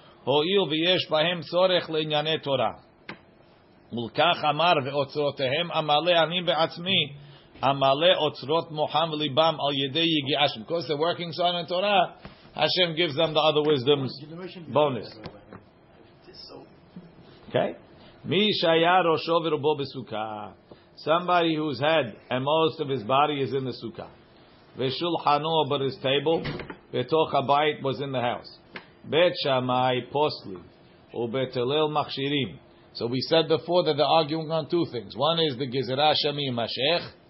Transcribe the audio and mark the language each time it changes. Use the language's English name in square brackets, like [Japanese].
[Hebrew] הואיל ויש בהם צורך לענייני תורה. מולכך אמר ואוצרותיהם אמלא אני בעצמי אמלא אוצרות מוחם וליבם על ידי יגיעה. [English] Because they're working so on in Torah, Hashem gives them the other wisdoms. Bonus. Okay. [Hebrew] מי שהיה ראשו ורובו בסוכה. [English] Somebody whose head and most of his body is in the סוכה. [Hebrew] ושולחנו [English] but his table [Hebrew] בתוך הבית [English] was in the house. [Hebrew] Bet Shammai Posli Ubet Hillel Machshirim. [English] So we said before that they're arguing on two things. One is the Gezerah Shamim Mashech,